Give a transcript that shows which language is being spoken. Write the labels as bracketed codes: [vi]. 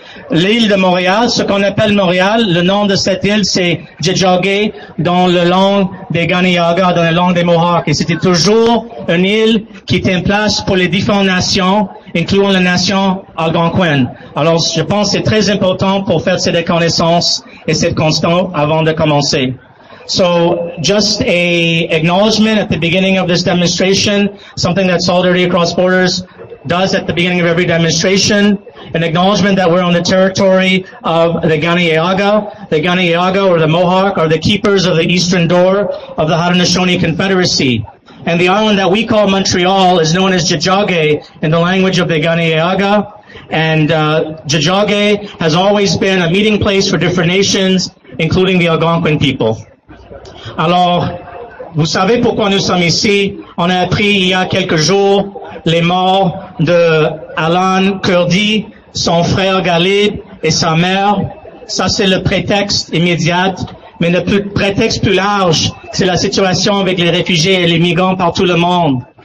[fr] L'île de Montréal, ce qu'on appelle Montréal, le nom de cette île, c'est Jejogé, dans la langue des Ganayaga, dans la langue des Mohawks. Et c'était toujours une île qui était en place pour les différentes nations, incluant la nation algonquine. Alors, je pense que c'est très important pour faire cette reconnaissance et cette constance avant de commencer. [en] So, just a acknowledgement at the beginning of this demonstration, something that Solidarity Across Borders does at the beginning of every demonstration, an acknowledgement that we're on the territory of the Ganayaga. The Ganayaga, or the Mohawk, are the keepers of the eastern door of the Haudenosaunee Confederacy. And the island that we call Montreal is known as Jejogé in the language of the Ganayaga. And Jejogé has always been a meeting place for different nations, including the Algonquin people. [fr] Alors, vous savez pourquoi nous sommes ici. On a appris il y a quelques jours les morts de Alan Kurdi, son frère Galib et sa mère. Ça, c'est le prétexte immédiat. Mais le prétexte plus large, c'est la situation avec les réfugiés et les migrants partout le monde.